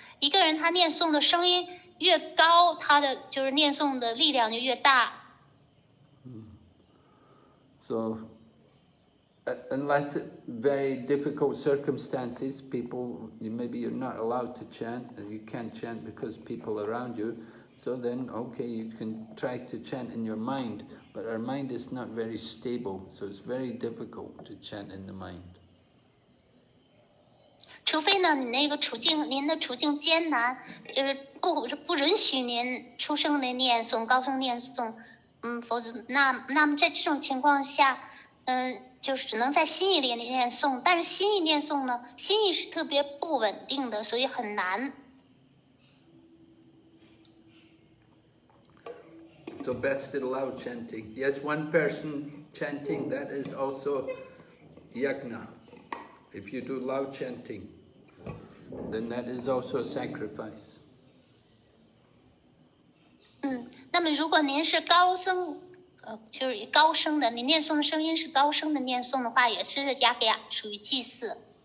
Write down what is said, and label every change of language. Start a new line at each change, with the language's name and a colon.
Chinese: 一个人他念诵的声音越高，他的就是念诵的力量就越大。
English: So, unless very difficult circumstances, people, maybe you're not allowed to chant, and you can't chant because people around you, so then, okay, you can try to chant in your mind, but our mind is not very stable, so it's very difficult to chant in the mind.
Chinese: 除非呢，你那个处境，您的处境艰难，就是不允许您出声的念诵，高声念诵。否则那么在这种情况下，就是只能在心意里念诵，但是心意念诵呢，心意是特别不稳定的，所以很难。
English: So best is loud chanting. Yes, one person chanting, that is also yagna. If you do loud chanting, then that is also a sacrifice.
Chinese: 那么如果您是高声就是高声的，你念诵的声音是高声的念诵的话，也是雅给亚，属于祭祀。